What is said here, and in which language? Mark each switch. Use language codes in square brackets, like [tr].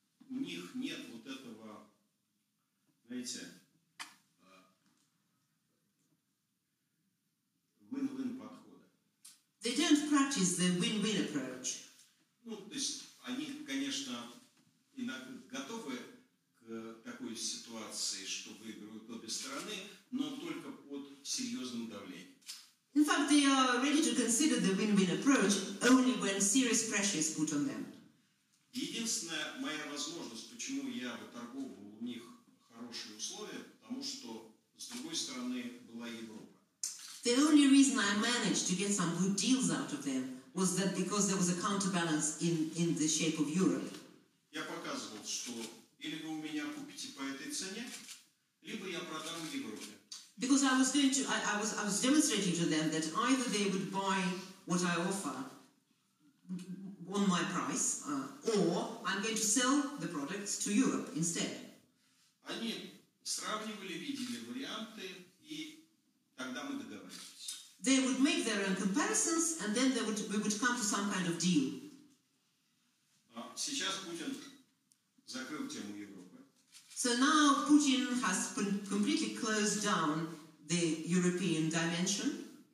[ru] У них нет вот этого, знаете, win-win подхода. [en] They don't practice the win-win approach. [ru] Ну, то есть они, конечно, иногда готовы к такой ситуации, что выигрывают обе стороны, но только под серьезным давлением. [en] In fact, they are ready to consider the win-win approach only when serious pressure is put on them. [ru] Единственная моя возможность, почему я выторговывал у них хорошие условия, потому что с другой стороны была Европа. [en] The only reason I managed to get some good deals out of them was that because there was a counterbalance in the shape of Europe. [ru] Я показывал, что или вы у меня купите по этой цене, либо я продам Европе. [en] Because I was demonstrating to them that either they would buy what I offer on my price, or I'm going to sell the products to Europe instead. [ru] Они сравнивали, видели варианты, и тогда мы договорились. [en] They would make their own comparisons, and then we would come to some kind of deal. [ru] Сейчас Путин закрыл тему Европы. [en] So now Putin has completely closed down the European dimension.